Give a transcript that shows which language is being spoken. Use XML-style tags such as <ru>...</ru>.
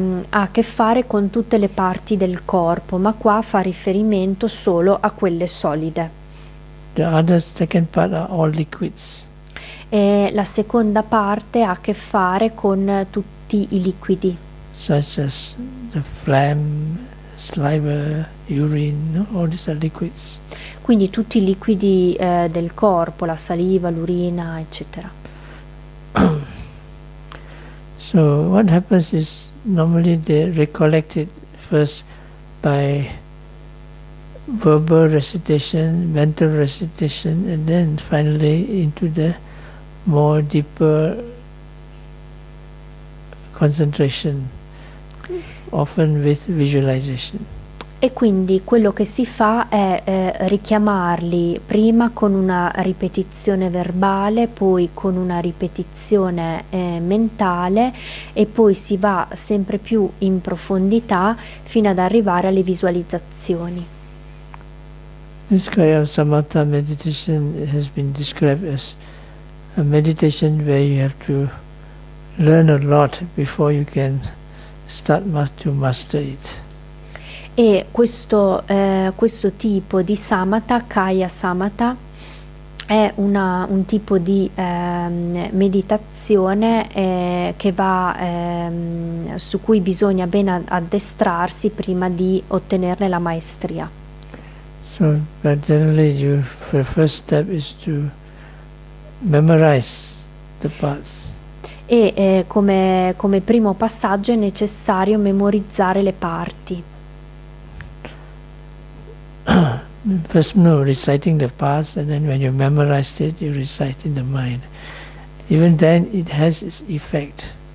<it>Ha a che fare con tutte le parti del corpo, ma qua fa riferimento solo a quelle solide.</it> <en>Second part are all liquids.</en> <it>E la seconda parte ha a che fare con tutti i liquidi.</it> <en>Such as the phlegm, saliva, urine, no? All these are liquids.</en> <it>Quindi tutti i liquidi del corpo, la saliva, l'urina, eccetera.</it> <en>So So what happens is normally they're recollected first by verbal recitation, mental recitation, and then finally into the more deeper concentration, often with visualization.</en> <it>E quindi quello che si fa è richiamarli prima con una ripetizione verbale, poi con una ripetizione mentale, e poi si va sempre più in profondità fino ad arrivare alle visualizzazioni.</it> <en>This kind of samatha meditation has been described as a meditation where you have to learn a lot before you can start to master it.</en> <it>E questo, questo tipo di samatha, kaya samatha, è un tipo di meditazione che va su cui bisogna ben addestrarsi prima di ottenerne la maestria.</it> <en>So, but generally you, for the first step is to memorize the parts.</en> <it>E come primo passaggio è necessario memorizzare le parti.</it> <en>First, no, reciting the parts, and then when you memorize it, you recite in the mind. Even then, it has its effect.</en>